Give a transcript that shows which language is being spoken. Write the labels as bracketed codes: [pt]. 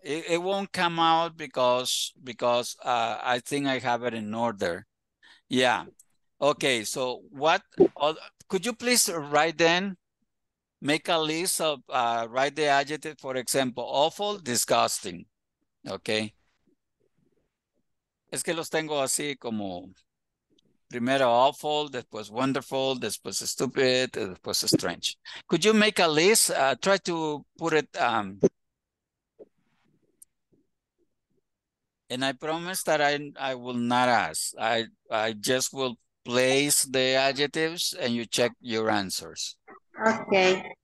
[en] It won't come out because I think I have it in order. Yeah. Okay, so what, could you please write then, make a list of, write the adjective, for example, awful, disgusting, okay? [es] Es que los tengo así como, primero awful, después wonderful, después stupid, después strange. [en] Could you make a list, try to put it, And I promise that I will not ask. I just will place the adjectives and you check your answers. Okay.